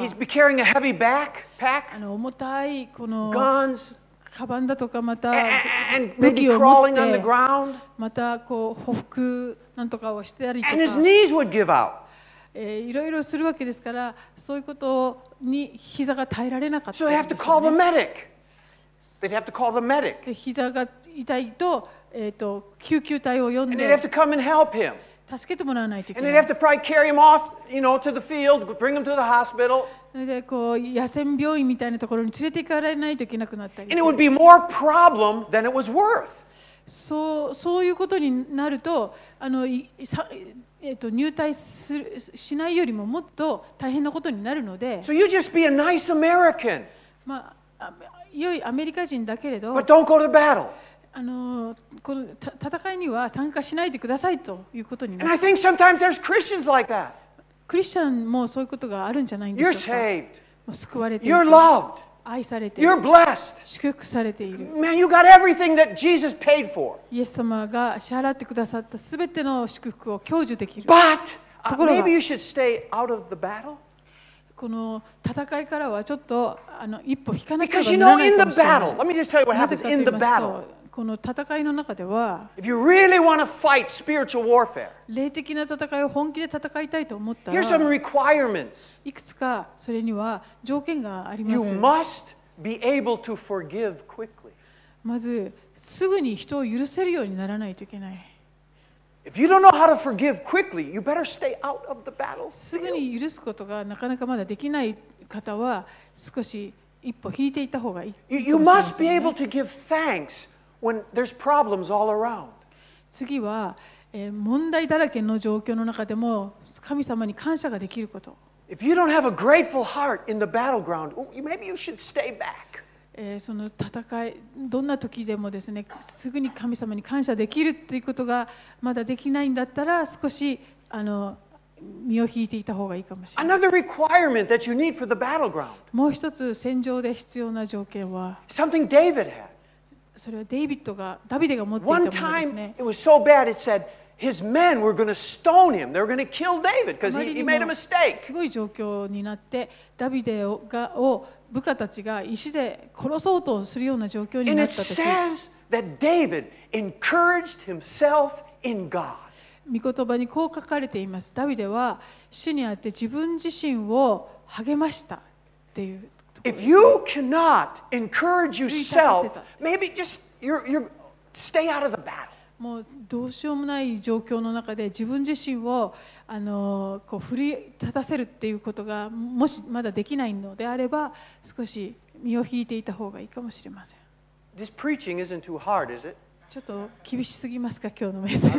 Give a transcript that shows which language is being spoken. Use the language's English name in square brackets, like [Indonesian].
[English] he's be carrying a heavy backpack, [Japanese] 重たいこの [English] guns, [Japanese] カバンだとかまた武器を持って、 [English] and maybe crawling [Japanese] on the またこう歩幅なんとかをしてたりとか、 [English] and his knees would give out. [Japanese] いろいろするわけですから、そういうことに膝が耐えられなかったんですよね。 [English] So they have to call the medic. They'd have to call the medic. [Japanese] 膝が痛いと、救急隊を呼んで、 [English] and they'd have to come and help him. [Japanese] 助けてもらわないといけない。 [English] And they'd have to probably carry him off, you know, to the field, bring him to the hospital. [Japanese] でこう野戦病院みたいなところに連れて行かれないといけなくなったり。 [English] And it would be more problem than it was worth. [Japanese] そういうことになると、入隊しないよりももっと大変なことになるので。 [English] So you just be a nice American. [Japanese] まあ良いアメリカ人だけれど、 [English] but don't go to battle. [Japanese] この戦いには参加しないでくださいということになる。 [English] And I think sometimes there's Christians like that. [Japanese] クリスチャンもそういうことがあるんじゃないんでしょうか。 [English] You're saved. [Japanese] もう救われている [English] 。You're loved. [Japanese] 愛されている [English] 。 You're blessed. [Japanese] 祝福されている。 [English] Man, you got everything that Jesus paid for. [Japanese] イエス様が支払ってくださったすべての祝福を享受できる。 [English] But maybe you should stay out of the battle. [Japanese] この戦いからはちょっと一歩引かなければならないかもしれない。なぜかと言いますと、この戦いの中では、 [English] if you really want to fight spiritual warfare, [Japanese] 霊的な戦いを本気で戦いたいと思ったら、 [English] here's some requirements. [Japanese] いくつかそれには条件があります。 [English] You must be able to forgive quickly. [Japanese] まずすぐに人を許せるようにならないといけない。 [English] If you don't know how to forgive quickly, you better stay out of the battle. [Japanese] すぐに許すことがなかなかまだできない方は少し一歩引いていた方がいい。 [English] You must be able to give thanks when there's problems all around. [Japanese] 次は、問題だらけの状況の中でも神様に感謝ができること。 [English] If you don't have a grateful heart in the battleground, maybe you should stay back. [Japanese] その戦いどんな時でもですね、すぐに神様に感謝できるということがまだできないんだったら、少し身を引いていた方がいいかもしれない。 [English] Another requirement that you need for the battleground. [Japanese] もう一つ戦場で必要な条件は、 [English] something David had. [Japanese] それはダビデが持っていたものですね。 [English] One time it was so bad it said his men were going to stone him. They were going to kill David because he made a mistake. [Japanese] すごい状況になってダビデを部下たちが石で殺そうとするような状況になった時、 [English] And it says that David encouraged himself in God. [Japanese] 御言葉にこう書かれています。ダビデは主にあって自分自身を励ましたっていうところです。 [English] If you cannot encourage yourself, maybe just you're stay out of the battle. [Japanese] もうどうしようもない状況の中で自分自身をこう振り立たせるっていうことがもしまだできないのであれば、少し身を引いていた方がいいかもしれません。 [English] This preaching isn't too hard, is it? [Japanese] ちょっと厳しすぎますか今日のメッセージ。